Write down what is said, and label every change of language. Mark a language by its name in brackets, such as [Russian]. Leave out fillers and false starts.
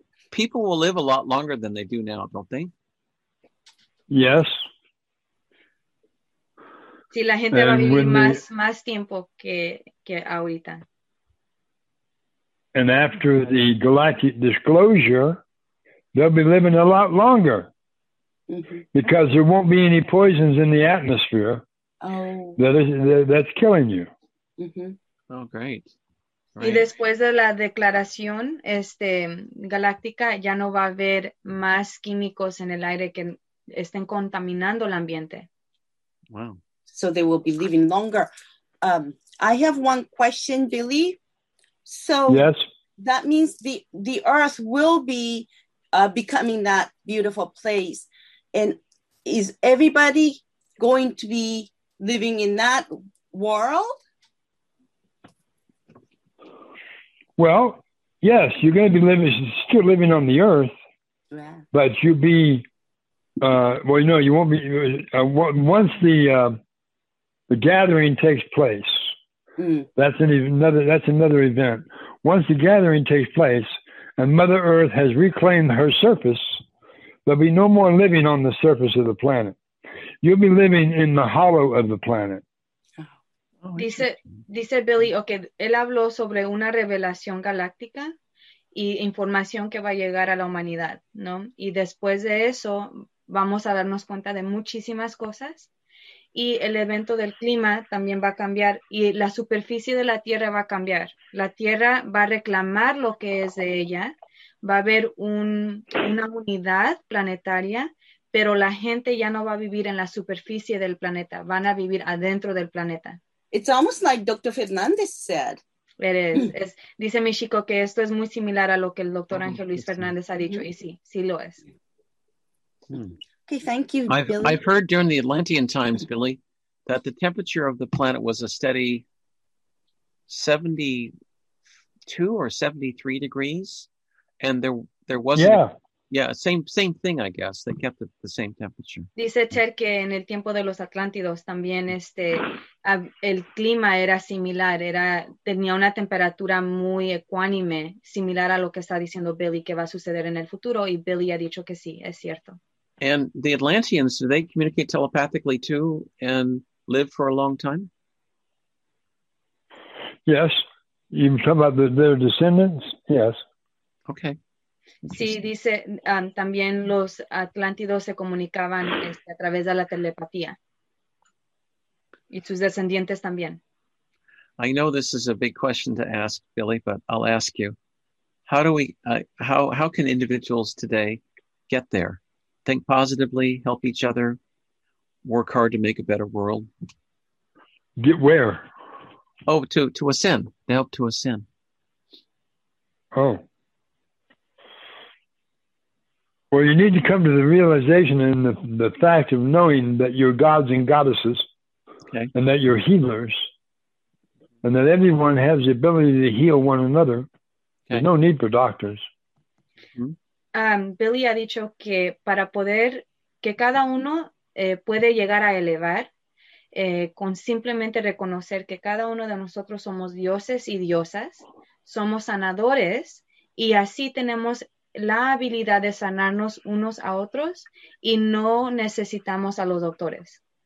[English] people will live a lot longer than they do now, don't they? Yes. [Spanish] Sí, la gente va a vivir más tiempo que ahorita. [English] And after the galactic disclosure, they'll be living a lot longer because there won't be any poisons in the atmosphere that's killing you. Mm-hmm. Oh, great. [Spanish] Y después de la declaración galáctica, ya no va a haber más químicos en el aire que estén contaminando el ambiente. [English] Wow. So they will be living longer. I have one question, Billy. So yes. That means the Earth will be becoming that beautiful place. And is everybody going to be living in that world? Well, yes, you're going to be still living on the Earth. Yeah. But you'll be, you won't be, once the... The gathering takes place. That's another event. Once the gathering takes place and Mother Earth has reclaimed her surface, there'll be no more living on the surface of the planet. You'll be living in the hollow of the planet. [Spanish] Dice Billy, okay, él habló sobre una revelación galáctica y información que va a llegar a la humanidad, ¿no? Y después de eso, vamos a darnos cuenta de muchísimas cosas. Y el evento del clima también va a cambiar y la superficie de la Tierra va a cambiar. La Tierra va a reclamar lo que es de ella. Va a haber una unidad planetaria, pero la gente ya no va a vivir en la superficie del planeta. Van a vivir adentro del planeta. [English] It's almost like Dr. Fernandez said. It is. [Spanish] Dice mi chico que esto es muy similar a lo que el Dr. Ángel Luis Fernández ha dicho. Y sí, sí lo es. [English] Okay, thank you, Billy. I've heard during the Atlantean times, Billy, that the temperature of the planet was a steady 72 or 73 degrees, and there wasn't... Same thing, I guess. They kept it the same temperature. [Spanish] Dice Ter que en el tiempo de los Atlántidos también el clima era similar, tenía una temperatura muy ecuánime, similar a lo que está diciendo Billy que va a suceder en el futuro, y Billy ha dicho que sí, es cierto. [English] And the Atlanteans, do they communicate telepathically too and live for a long time? Yes. You talk about their descendants? Yes. Okay. [Spanish] Sí, dice, también los Atlántidos se comunicaban a través de la telepatía. Y sus descendientes también. [English] I know this is a big question to ask, Billy, but I'll ask you. How can individuals today get there? think positively, help each other, work hard to make a better world. Get where? Oh, to ascend. To help to ascend. Oh. Well, you need to come to the realization and the fact of knowing that you're gods and goddesses, okay, and that you're healers, and that everyone has the ability to heal one another. Okay. There's no need for doctors. [Spanish] Billy ha dicho que para poder, que cada uno puede llegar a elevar con simplemente reconocer que cada uno de nosotros somos dioses y diosas, somos sanadores, y así tenemos la habilidad de sanarnos unos a otros y no necesitamos a los doctores.